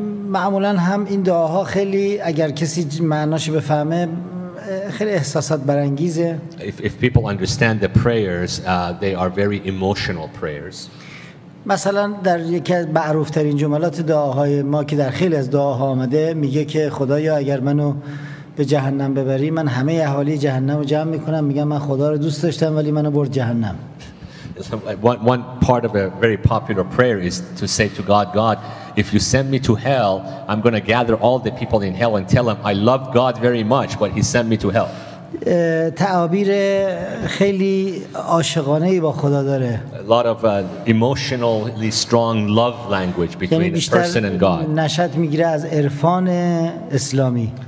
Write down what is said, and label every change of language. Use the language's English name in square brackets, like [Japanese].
[Persian] معمولا هم این دعاها خیلی اگر کسی معناش بفهمه خیلی احساسات برانگیزه. [English] If people understand the prayers, they are very emotional prayers. [Persian] مثلا در یکی از معروف‌ترین جملات دعاهای ما که در خیلی از دعاها آمده میگه که خدایا اگر منو به جهنم ببری من همه اهالی جهنم رو جمع میکنم، میگم من خدا رو دوست داشتم ولی منو برد جهنم. [English] One part of a very popular prayer is to say to God, God, if you send me to hell, I'm going to gather all the people in hell and tell them I love God very much but he sent me to hell. [Persian] تعابیر خیلی عاشقانه ای با خدا داره. [English] A lot of emotionally strong love language between a person and God. [Persian] نشأت میگیره از عرفان اسلامی.